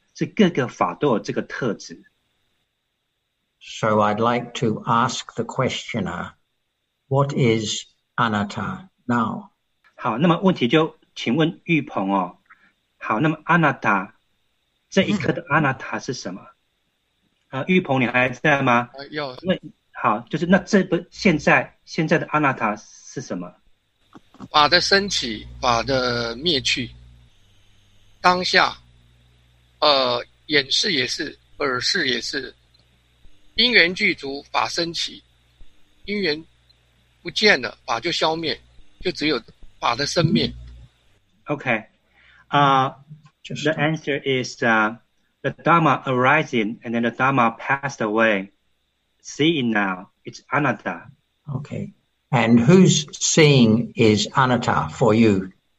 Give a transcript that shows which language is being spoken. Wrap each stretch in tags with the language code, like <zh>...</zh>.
<zh>是各个法都有这个特质。</zh> <en>So I'd like to ask the questioner, what is anatta now?</en> <zh>好，那么问题就请问玉鹏哦。好，那么 anatta 这一刻的 anatta 是什么？玉鹏你还在吗？有。问好，就是那这不现在的 anatta 是什么？法的升起，法的灭去，当下。眼识也是，耳识也是，因缘具足，法生起，因缘不见了，法就消灭，就只有法的生灭。</zh> <en>Okay, the answer is the Dharma arising and then the Dharma passed away. Seeing now, it's anatta. Okay, and whose seeing is anatta for you?</en>